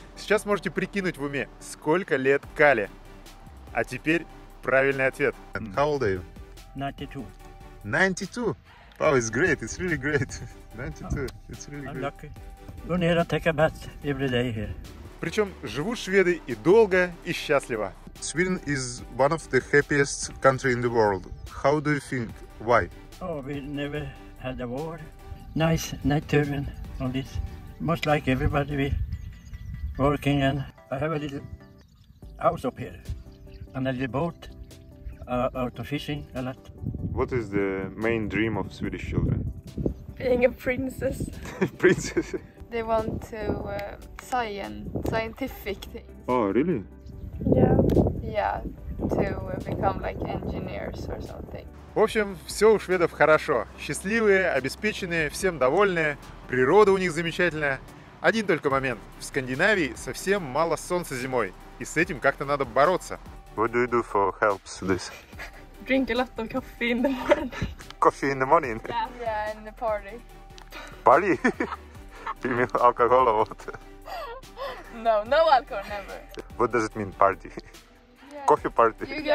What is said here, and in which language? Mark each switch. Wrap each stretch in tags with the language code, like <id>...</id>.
<ru>Сейчас можете прикинуть в уме, сколько лет Кале. А теперь правильный ответ.</ru> <en>How old are you? 92. 92? Wow, it's great, it's really great. 92, it's really great. I'm lucky. We need to take a bath every day here.</en> <ru>Причем живут шведы и долго, и счастливо.</ru> <en>Sweden is one of the happiest country in the world. How do you think? Why? Oh, we never had a war. Nice nature and all this. Most like everybody we working and I have a little house up here and a little boat out of fishing a lot. What is the main dream of Swedish children? Being a princess. Princess? They want to scientific things. Oh, really? Yeah, to become like engineers or something.</en> <ru>В общем, все у шведов хорошо. Счастливые, обеспеченные, всем довольные. Природа у них замечательная. Один только момент. В Скандинавии совсем мало солнца зимой. И с этим как-то надо бороться.</ru> <en>What do you do for help with this? Drink a lot of coffee in the morning. Coffee in the morning? Yeah, in the party. Party? You mean alcohol or what? No alcohol, never. What does it mean, party? Coffee party.</en>